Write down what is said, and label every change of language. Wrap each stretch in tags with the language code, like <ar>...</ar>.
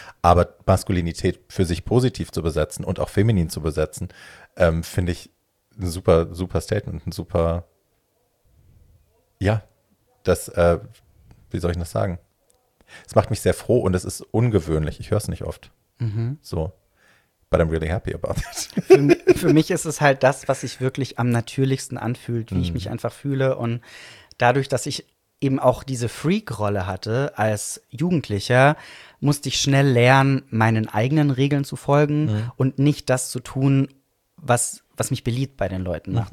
<de>Aber Maskulinität für sich positiv zu besetzen und auch feminin zu besetzen, finde ich ein super, super Statement, ein super, ja, das, wie soll ich das sagen? Es macht mich sehr froh und es ist ungewöhnlich, ich höre es nicht oft. So.</de> <en>But I'm really happy about it.</en> <de>Für mich ist es halt das, was sich wirklich am natürlichsten anfühlt, wie ich mich einfach fühle. Und dadurch, dass ich eben auch diese Freak-Rolle hatte als Jugendlicher, musste ich schnell lernen, meinen eigenen Regeln zu folgen und nicht das zu tun, was mich beliebt bei den Leuten macht.</de>